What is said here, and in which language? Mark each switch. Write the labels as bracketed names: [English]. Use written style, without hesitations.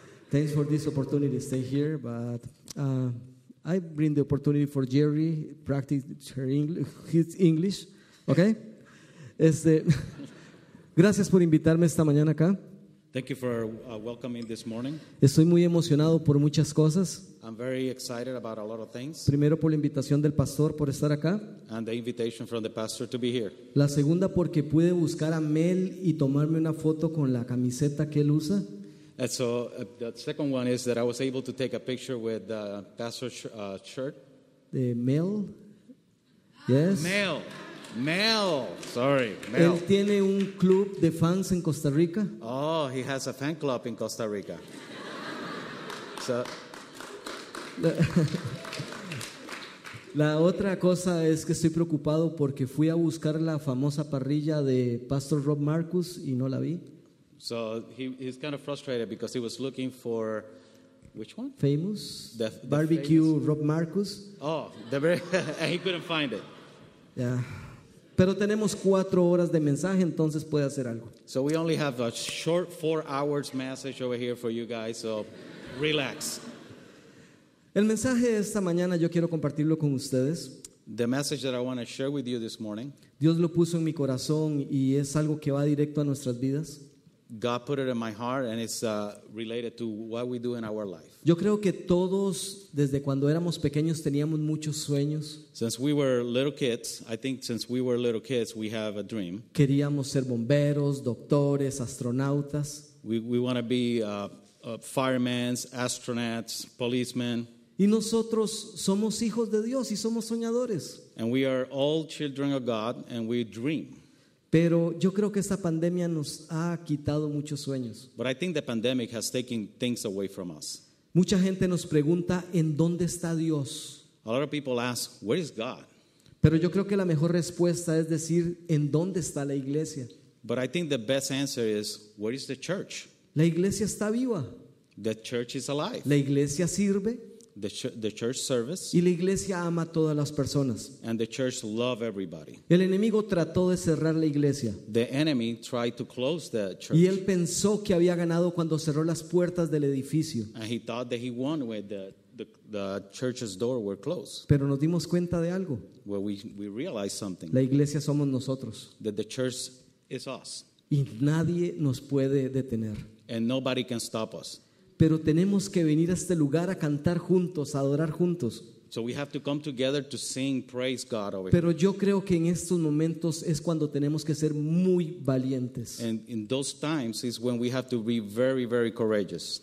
[English] Thanks for this opportunity to stay here, but I bring the opportunity for Jerry to practice his English, okay? [Spanish] Gracias por invitarme esta mañana acá. [English] Thank you for welcoming this morning. [Spanish] Estoy muy emocionado por muchas cosas. [English] I'm very excited about a lot of things. [Spanish] Primero por la invitación del pastor por estar acá. [English] And the invitation from the pastor to be here. [Spanish] La segunda porque pude buscar a Mel y tomarme una foto con la camiseta que él usa. [English] And so the second one is that I was able to take a picture with the pastor's shirt. The Mel. Yes. Mel. Mel, sorry, Mel. [Spanish] Él tiene un club de fans en Costa Rica. [English] Oh, he has a fan club in Costa Rica. So, [Spanish] la otra cosa es que estoy preocupado porque fui a buscar la famosa parrilla de Pastor Rob Marcus y no la vi. [English] So he's kind of frustrated because he was looking for which one? Famous the barbecue famous? Rob Marcus. Oh, the very, and he couldn't find it. Yeah. [Spanish] Pero tenemos 4 horas de mensaje, entonces puede hacer algo. [English] So we only have a short 4 hours message over here for you guys, so relax. [Spanish] El mensaje de esta mañana yo quiero compartirlo con ustedes. [English] The message that I want to share with you this morning. [Spanish] Dios lo puso en mi corazón y es algo que va directo a nuestras vidas. [English] God put it in my heart and it's related to what we do in our life. [Spanish] Yo creo que todos desde cuando éramos pequeños teníamos muchos sueños. [English] Since we were little kids, I think since we were little kids we have a dream. [Spanish] Queríamos ser bomberos, doctores, astronautas. [English] We want to be firemen, astronauts, policemen. [Spanish] Y nosotros somos hijos de Dios y somos soñadores. [English] And we are all children of God and we dream. [Spanish] Pero yo creo que esta pandemia nos ha quitado muchos sueños. [English] But I think the pandemic has taken things away from us. [Spanish] Mucha gente nos pregunta, ¿en dónde está Dios? [English] A lot of people ask, where is God? [Spanish] Pero yo creo que la mejor respuesta es decir, ¿en dónde está la iglesia? [English] But I think the best answer is, where is the church? [Spanish] La iglesia está viva. [English] The church is alive. [Spanish] La iglesia sirve. [English] The church service. [Spanish] Y la iglesia ama a todas las personas. [English] And the church love everybody. [Spanish] El enemigo trató de cerrar la iglesia. [English] The enemy tried to close the church. [Spanish] Y él pensó que había ganado cuando cerró las puertas del edificio. [English] And he thought that he won when the church's door were closed. [Spanish] Pero nos dimos cuenta de algo. [English] Well, we realized something. [Spanish] La iglesia somos nosotros. [English] That the church is us. [Spanish] Y nadie nos puede detener. [English] And nobody can stop us. [Spanish] Pero tenemos que venir a este lugar a cantar juntos, a adorar juntos. [English] So we have to come together to sing, praise God over here. [Spanish] Pero yo creo que en estos momentos es cuando tenemos que ser muy valientes. [English] And in those times is when we have to be very, very courageous.